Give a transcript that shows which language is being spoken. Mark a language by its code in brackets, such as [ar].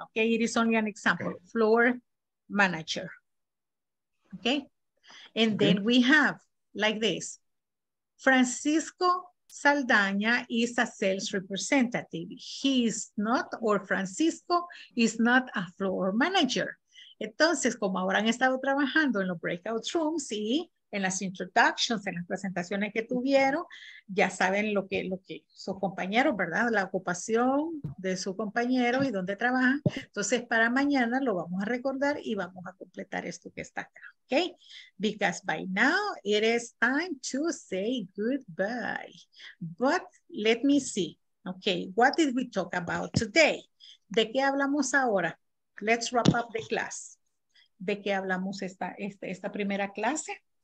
[en] Okay, it is only an example. Okay. Floor manager. Okay. And then we have like this. Francisco Saldaña is a sales representative. He is not, or Francisco is not a floor manager. [es] Entonces, como ahora han estado trabajando en los breakout rooms y en las introductions, en las presentaciones que tuvieron, ya saben lo que sus compañeros, ¿verdad? La ocupación de su compañero y dónde trabaja. Entonces, para mañana lo vamos a recordar y vamos a completar esto que está acá, ¿ok? [en] Because by now, it is time to say goodbye. But let me see, ¿ok? What did we talk about today? [es] ¿De qué hablamos ahora? [en] Let's wrap up the class. [es] ¿De qué hablamos esta primera clase?